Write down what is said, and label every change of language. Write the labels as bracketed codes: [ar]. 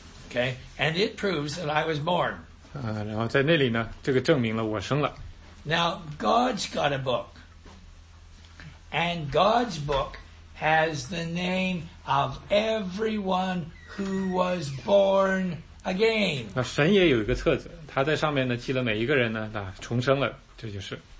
[en] Okay, and it proves that I was born. [zh] 然后在那里呢，这个证明了我生了。 [en] Now God's got a book, and God's book has the name of everyone who was born again. [zh] 那神也有一个册子，他在上面呢记了每一个人呢，那重生了，这就是。